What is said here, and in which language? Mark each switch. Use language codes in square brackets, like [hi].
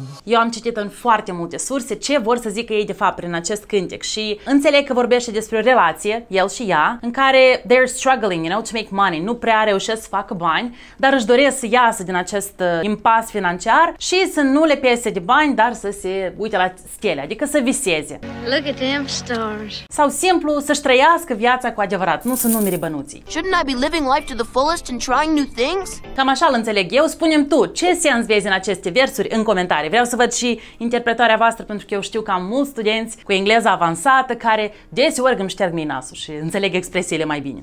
[ro] Eu am citit în foarte multe surse ce vor să zică ei de fapt prin acest cântec și înțeleg că vorbește despre o relație, el și ea, în care [en] they're struggling, you know, to make money, [ro] nu prea reușesc să facă bani, dar își doresc să iasă din acest impas financiar și să nu le piese de bani, dar să se uite la stele, adică să viseze. [en] Look at them stars. [ro] Sau simplu, să-și trăiască viața cu adevărat, nu să numere bănuții. [en] Shouldn't I be living life to the fullest and trying new things? [ro] Cam așa îl înțeleg eu, spune-mi tu, ce sens vezi în aceste versuri în comentarii. Vreau să văd și interpretarea voastră, pentru că eu știu că am mulți studenți cu engleza avansată care deseori îmi șterg mie nasul și înțeleg expresiile mai bine.